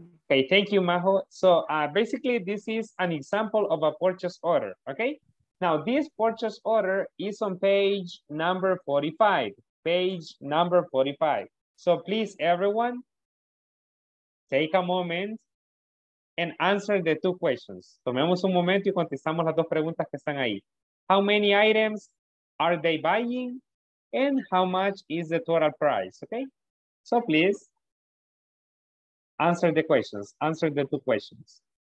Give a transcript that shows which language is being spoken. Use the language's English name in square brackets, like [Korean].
[English] Okay, thank you, Majo. So basically, this is an example of a purchase order, okay? Now, this purchase order is on page number 45. Page number 45. So please, everyone, take a moment and answer the two questions. [Spanish] Tomemos un momento y contestamos las dos preguntas que están ahí. [English] How many items are they buying? And how much is the total price, okay? So please answer the questions, answer the two questions.